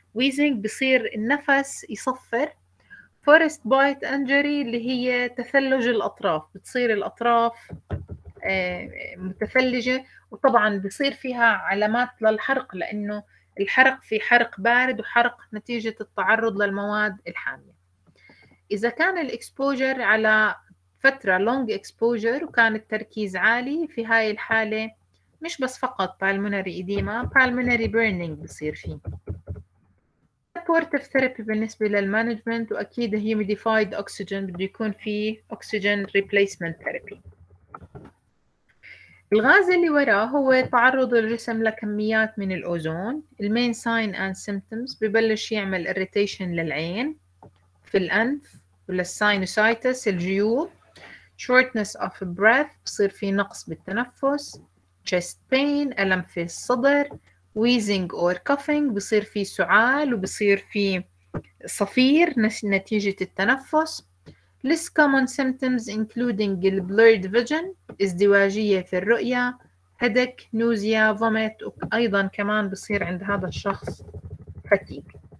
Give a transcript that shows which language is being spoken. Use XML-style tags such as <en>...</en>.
<ar>ويزنج بصير النفس يصفر،</ar> <en>frostbite injury</en> <ar>اللي هي تثلج الأطراف، بتصير الأطراف متثلجة، وطبعاً بصير فيها علامات للحرق، لأنه الحرق في حرق بارد وحرق نتيجة التعرض للمواد الحامية. إذا كان الإكسبوجر على فترة</ar> <en>long exposure</en> <ar>وكان التركيز عالي، في هاي الحالة مش بس فقط</ar> <en>pulmonary edema، pulmonary burning</en> <ar>بصير فيه.</ar> <en>supportive therapy</en> <ar>بالنسبة للمانجمنت، وأكيد</ar> <en>humidified oxygen،</en> <ar>بده يكون فيه</ar> <en>oxygen replacement therapy.</en> <ar>الغاز اللي وراه هو تعرض الجسم لكميات من الأوزون.</ar> <en>المين sign and symptoms,</en> <ar>ببلش يعمل اريتيشن للعين، في الأنف، وللساينوسايتس الجيوب،</ar> <en>shortness of breath,</en> <ar>بصير في نقص بالتنفس،</ar> <en>chest pain،</en> <ar>ألم في الصدر،</ar> <en>wheezing or coughing،</en> <ar>بصير في سعال وبصير في صفير نتيجة التنفس.</ar> <en>List common symptoms including blurred vision،</en> <ar>ازدواجية في الرؤية،</ar> <en>headache، nausea، vomit،</en> <ar>وأيضا كمان بصير عند هذا الشخص</ar> <en>fatigue.</en>